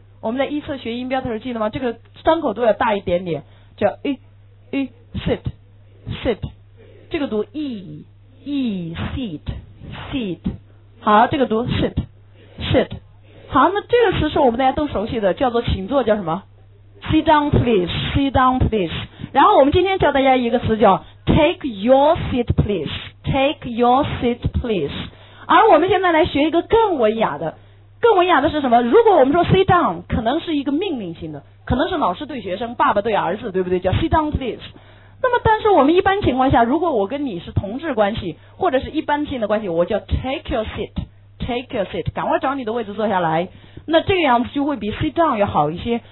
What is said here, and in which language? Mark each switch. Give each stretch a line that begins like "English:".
Chinese: 我们在一次学音标的时候记得吗？这个张口度要大一点点，叫 a sit sit，这个读 e seat seat。好，这个读 sit sit。好，那这个词是我们大家都熟悉的，叫做请坐，叫什么？
English: sit down please sit down please。
Chinese: 然后我们今天教大家一个词叫 take your seat please take your seat please。而我们现在来学一个更文雅的，更文雅的是什么？如果我们说 sit down 可能是一个命令性的，可能是老师对学生，爸爸对儿子，对不对？叫 sit down please。那么但是我们一般情况下，如果我跟你是同志关系或者是一般性的关系，我叫 take your seat take your seat，赶快找你的位置坐下来，那这个样子就会比 sit down 要好一些。